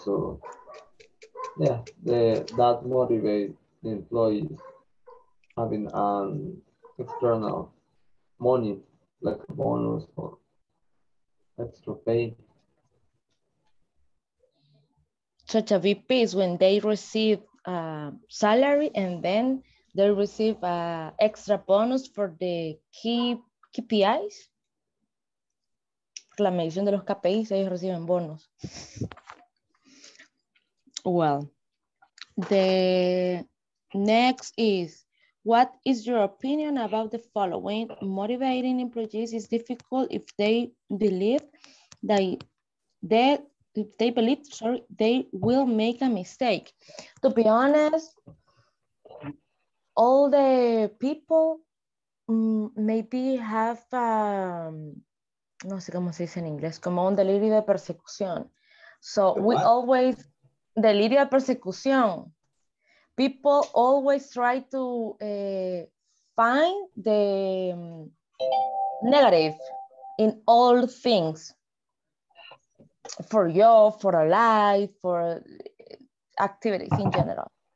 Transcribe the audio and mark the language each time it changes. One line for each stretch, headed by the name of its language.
English: So, yeah, that motivates the employees having an external money, like a bonus or extra pay. Such a VP is when they receive a salary and then they receive a extra bonus for the key KPIs.
Spanish: La medición de los KPIs, ellos reciben bonos.
English: Well, the next is, what is your opinion about the following? Motivating employees is difficult if they believe they will make a mistake. To be honest, all the people maybe have,
Spanish: no sé cómo se dice en inglés, como un delirio de persecución.
English: So we always,
Spanish: delirio de persecución.
English: People always try to find the negative in all things. For you, for a life, for activities in general.